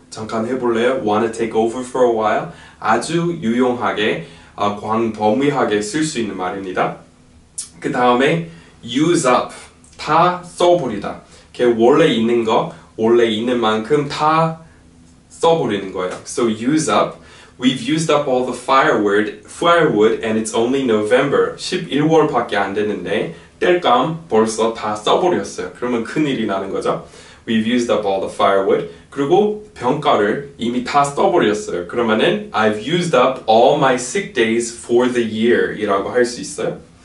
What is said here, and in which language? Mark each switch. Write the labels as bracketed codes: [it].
[ko] 잠깐 해볼래요? [en] Wanna take over for a while? [ko] 아주 유용하게 광범위하게 쓸 수 있는 말입니다. 그 다음에 use up 다 써버리다. 원래 있는 거 원래 있는 만큼 다 써버리는 거예요. [en] So use up. We've used up all the firewood and it's only November. [ko] 11월밖에 안 됐는데 땔감 벌써 다 써버렸어요. 그러면 큰일이 나는 거죠. [en] We've used up all the firewood. [ko] 그리고 병가를 이미 다 써버렸어요. 그러면은 [en] I've used up all my sick days for the year [ko] 이라고 할 수 있어요.